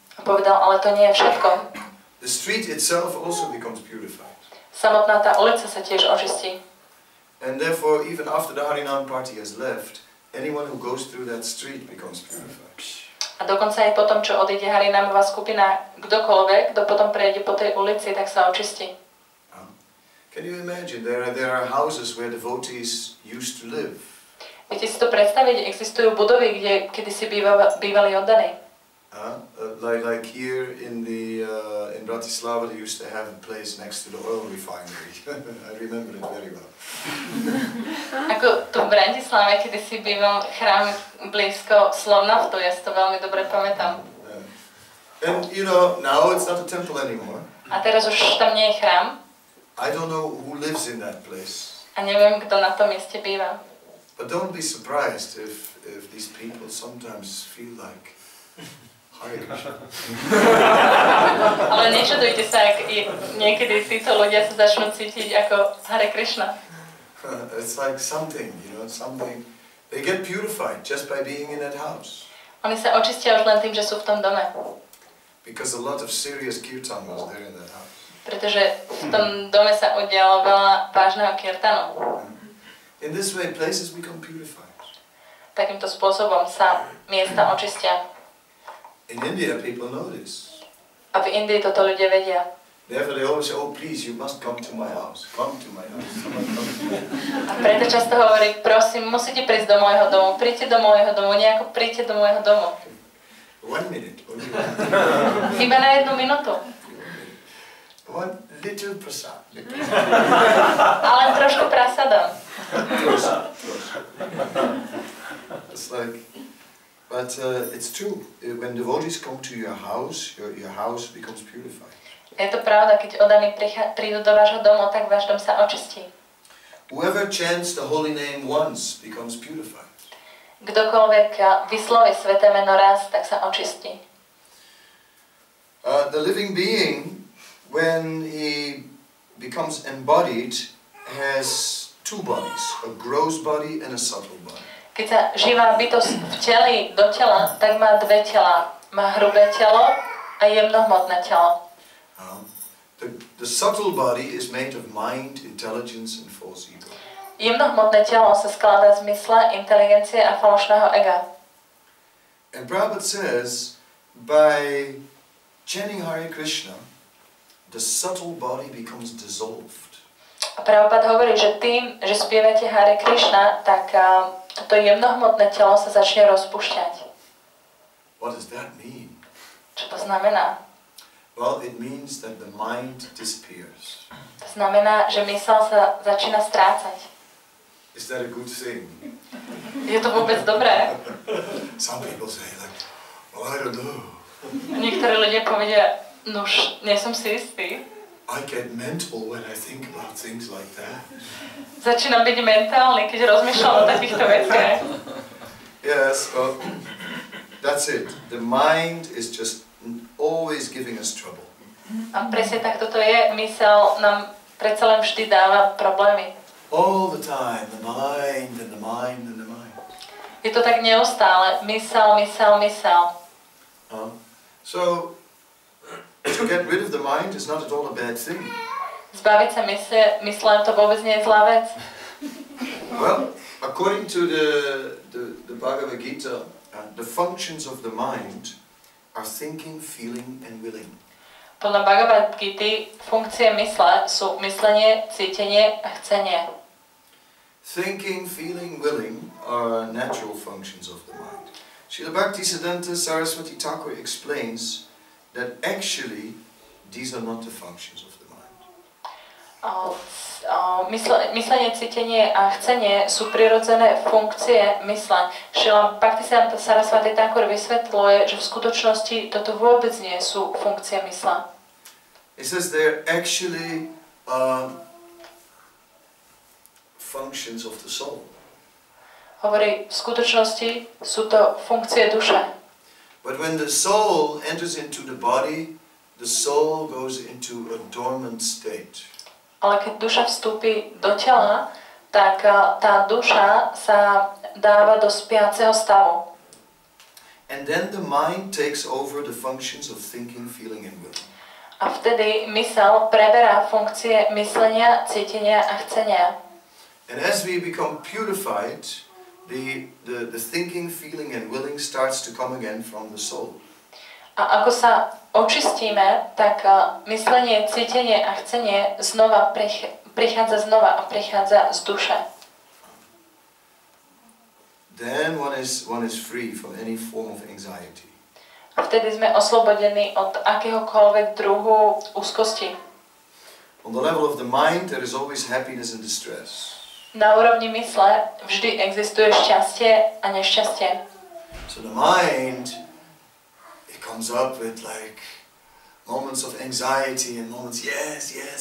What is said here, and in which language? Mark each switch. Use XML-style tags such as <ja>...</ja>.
<sk>Povedal, ale to nie je všetko.</sk> <en>The street itself also becomes purified.</en> <sk>Samotná tá ulica sa tiež očistí.</sk> <en>And therefore, even after the Harinam party has left, anyone who goes through that street becomes purified.</en> <sk>A dokonca aj potom, čo odíde Harinamová skupina, kdokoľvek, kto potom prejde po tej ulici, tak sa očistí.</sk> <en>Can you imagine there are houses where devotees used to live?</en> <sk>Viete si to predstaviť, existujú budovy, kde kedysi bývali oddaní.</sk> <en>Like here in Bratislava they used to have a place next to the oil refinery. I remember it very well.</en> <sk>Ako tu v Bratislave kedysi býval chrám blízko Slovnaftu, ja si to veľmi dobre pamätám.</sk> <en>And you know, now it's not a temple anymore.</en> <sk>A teraz už tam nie je chrám.</sk> <en>I don't know who lives in that place.</en> <sk>A neviem, kto na tom mieste býva.</sk> <en>But don't be surprised if these people sometimes feel like Hare Krishna.</en> <sk>Ale nečudujte sa, ak niekedy títo ľudia sa začnú cítiť ako Hare Krishna.</sk> <en>It's like something, you know, something. They get purified just by being in that house.</en> <sk>Oni sa očistia už len tým, že sú v tom dome.</sk> <en>Because a lot of serious kirtan was there in that house.</en> <sk>Pretože v tom dome sa udialo veľa vážneho kirtanu.</sk> <en>In this way places become purified.</en> <sk>Takýmto spôsobom sa miesta očistia.</sk> <en>In India people know this.</en> <sk>A v Indii toto ľudia vedia.</sk> <en>Therefore they always say, oh please, you must come to my house. Come to my house.</en> <sk>A preto často hovorí, prosím, musíte prísť do môjho domu. Príďte do môjho domu, nejako príďte do môjho domu.</sk> <en>One minute, only one minute.</en> <sk>Iba na jednu minutu.</sk> <en>One little prasad.</en> <sk>Ale trošku prasada.</sk> <en>Prasad. It's like, but it's true. When devotees come to your house, your house becomes purified.</en> <sk>Je to pravda, keď oddaní prídu do vášho domu, tak váš dom sa očistí.</sk> <en>Whoever chants the holy name once becomes purified.</en> <sk>Kdokoľvek vysloví sväté meno raz, tak sa očistí.</sk> <en>The living being, when he becomes embodied, has two bodies, a gross body and a subtle body.</en> <sk>Keď sa živá bytosť vteli do tela, tak má dve tela. Má hrubé telo a jemnohmotné telo.</sk> <en>The subtle body is made of mind, intelligence and false ego.</en> <sk>Jemnohmotné telo sa skladá z mysle, inteligencie a falošného ega.</sk> <en>And Prabhupada says, by chanting Hare Krishna, the subtle body becomes dissolved.</en> <sk>A Prabhupada hovorí, že tým, že spievate Hare Krishna, tak to jemnohmotné telo sa začne rozpúšťať.</sk> <en>What does that mean?</en> <sk>Čo to znamená?</sk> <en>Well, it means that the mind disappears.</en> <sk>To znamená, že mysel sa začína strácať.</sk> <en>Is that a good thing?</en> <sk>Je to vôbec dobré?</sk> <en>Some people say like, well, I don't know.</en> <sk>Niektorí ľudia povedia, nož, nie som si istý.</sk> <en>I get mental when I think about things like that.</en> <sk>Začínam byť mentálny, keď rozmýšľam o takýchto veciach.</sk> <en>Yes, well, that's it. The mind is just always giving us trouble.</en> <sk>A presne tak toto je, mysel nám predsa len vždy dáva problémy.</sk> <en>All the time, the mind and the mind and the mind.</en> <sk>Je to tak neustále, mysel, mysel, mysel.</sk> <en>So, to get rid of the mind is not at all a bad thing.</en> <sk>Zbaviť sa mysle, to vôbec nie je zlá vec.</sk> <en>Well, according to the Bhagavad Gita, the functions of the mind are thinking, feeling and willing.</en> <sk>Podľa Bhagavad Gita funkcie mysle sú myslenie, cítenie a chcenie.</sk> <en>Thinking, feeling, willing are natural functions of the mind. Srila Bhaktisiddhanta Saraswati Thakur explains that actually these are not the functions of the mind.</en> <sk>Myslenie, cítenie a chcenie sú prirodzené funkcie mysle. Srila Bhaktisiddhanta Saraswati Thakur vysvetľuje, že v skutočnosti toto vôbec nie sú funkcie mysle.</sk> <en>He says they're actually functions of the soul.</en> <sk>Hovorí, v skutočnosti sú to funkcie duše.</sk> <en>But when the soul enters into the body, the soul goes into a dormant state.</en> <sk>Ale keď duša vstúpi do tela, tak tá duša sa dáva do spiaceho stavu.</sk> <en>And then the mind takes over the functions of thinking, feeling and will.</en> <sk>A vtedy mysel preberá funkcie myslenia, cítenia a chcenia.</sk> <en>And as we become purified, the thinking, feeling and willing starts to come again from the soul.</en> <sk>A ako sa očistíme, tak myslenie, cítenie a chcenie znova prichádza znova a prichádza z duše.</sk> <en>Then one is free from any form of anxiety.</en> <sk>A vtedy sme oslobodení od akéhokoľvek druhu úzkosti.</sk> <en>On the level of the mind there is always happiness and distress.</en> <sk>Na úrovni mysle vždy existuje šťastie a nešťastie.</sk> <en>So the mind it comes up with like moments of anxiety and moments yes.</en>